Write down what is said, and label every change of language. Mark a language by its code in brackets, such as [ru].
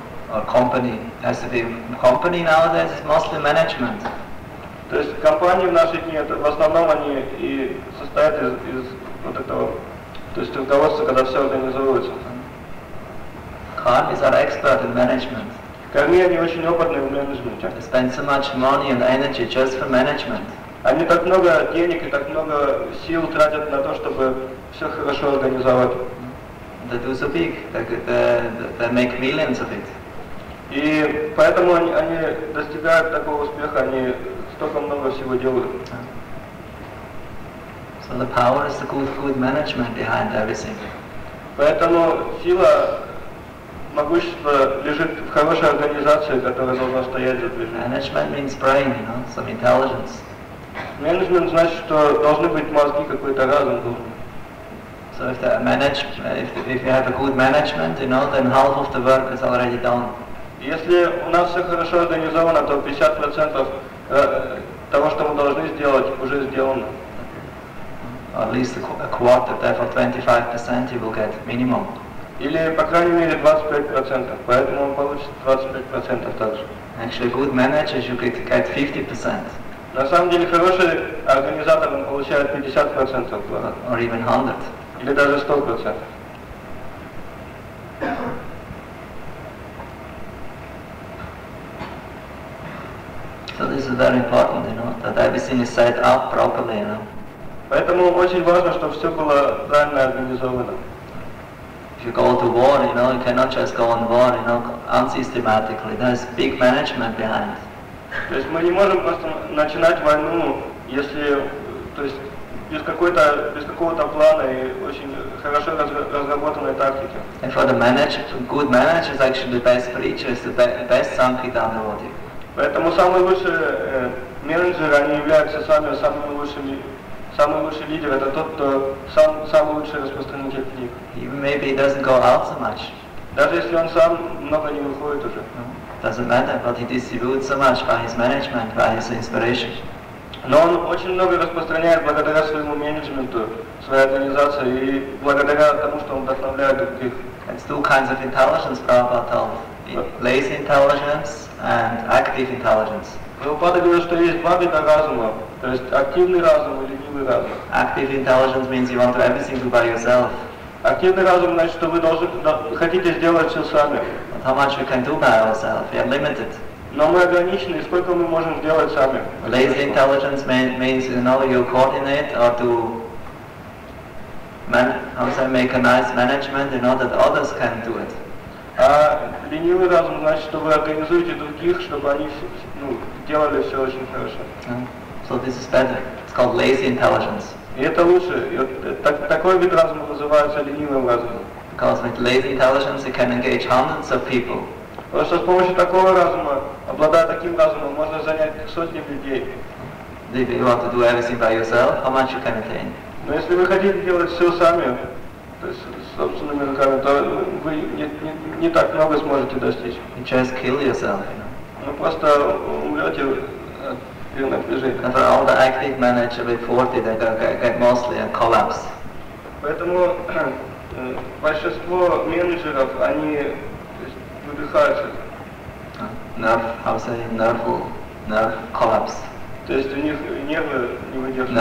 [en] Or company. Has to be company nowadays is mostly management. [ru] То есть компании в наши дни, в основном они и состоят из вот этого, то есть руководства, когда все организовывается. [en] Karmis are expert in management. [ru] Карми, они очень опытные в менеджменте. [en] They spend so much money and energy just for management. [ru] Они так много денег и так много сил тратят на то, чтобы все хорошо организовать. [en] They do so big. They make millions of it. [ru] И поэтому они достигают такого успеха, они столько много всего делают. [en] So the power is the good management behind everything. [ru] Поэтому сила, могущество лежит в хорошей организации, которая должна стоять за движением. [en] Management means brain, you know, some intelligence. [ru] Management значит, что должны быть мозги, какой-то разум должен. [en] So if the if you have a good management, you know, then half of the work is already done. [ru] Если у нас все хорошо организовано, то 50% того, что мы должны сделать, уже сделано. [en] At least a quarter, therefore 25% you will get minimum. [ru] Или, по крайней мере, 25%, поэтому он получит 25% также. [en] Actually, good managers, you could get 50%. [ru] На самом деле, хороший организатор, он получает 50%. [en] Or even 100%. [ru] Или даже 100%. [en] So this is very important, you know, that everything is set up properly, you know. [ru] Поэтому очень важно, чтобы все было правильно организовано. [en] If you go to war, you know, you cannot just go on war, you know, unsystematically. There's big management behind. [ru] То есть мы не можем просто начинать войну, если, то есть без какого-то плана и очень хорошо разработанной тактики. [en] And for the good manager is actually the best preacher, is the best sankhita in the world. [ru] Поэтому самые лучшие менеджеры, они являются самый лучший лидер, это тот, кто самый лучший распространитель книг. [en] Maybe he doesn't go out so much. [ru] Даже если он сам много не выходит уже. [en] Doesn't matter, but he distributes so much by his management, by his inspiration. [ru] Но он очень много распространяет благодаря своему менеджменту, своей организации и благодаря тому, что он вдохновляет других. [en] It's two kinds of intelligence, Prabhupada told. Lazy intelligence and active intelligence. [ru] Прабхупада говорит, что есть два вида разума, то есть активный разум и ленивый разум. [en] Active intelligence means you want to everything do by yourself. [ru] Активный разум значит, что вы хотите сделать все сами. [en] But how much we can do by ourselves? We are limited. [ru] Но мы ограничены, сколько мы можем сделать сами. [en] Lazy intelligence means you know you coordinate or to make a nice management in order that others can do it. [ru] А ленивый разум значит, что вы организуете других, чтобы они делали все очень хорошо. [en] So this is better. It's called lazy intelligence. [ru] И это лучше. Такой вид разума называется ленивым разумом. [en] Because with lazy intelligence you can engage hundreds of people. [ru] Потому что с помощью такого разума, обладая таким разумом, можно занять сотни людей. [en] If you want to do everything by yourself, how much you can attain? [ru] Но если вы хотите делать все сами, то есть собственными руками, то вы не так много сможете достичь. [en] You just kill yourself. [ru] Ну просто умрете от перенапряжения. [en] And for all the active managers with 40, they get mostly a collapse. [ru] Поэтому большинство менеджеров, они выдыхаются. [en] Nerve collapse. [ru] То есть у них нервы не выдерживают.